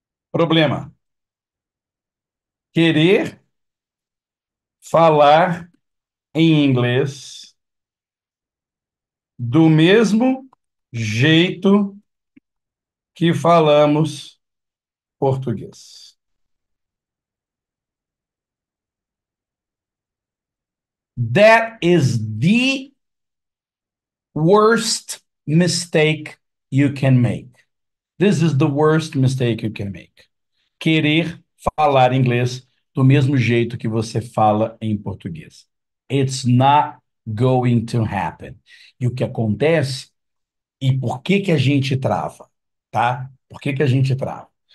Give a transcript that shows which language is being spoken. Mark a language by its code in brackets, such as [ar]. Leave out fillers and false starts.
[pt] Problema. Querer falar em inglês do mesmo jeito que falamos português. [en] That is the worst mistake you can make. This is the worst mistake you can make. [pt] Querer falar inglês do mesmo jeito que você fala em português. [en] It's not going to happen. [pt] E o que acontece? E por que que a gente trava? Tá? Por que que a gente trava?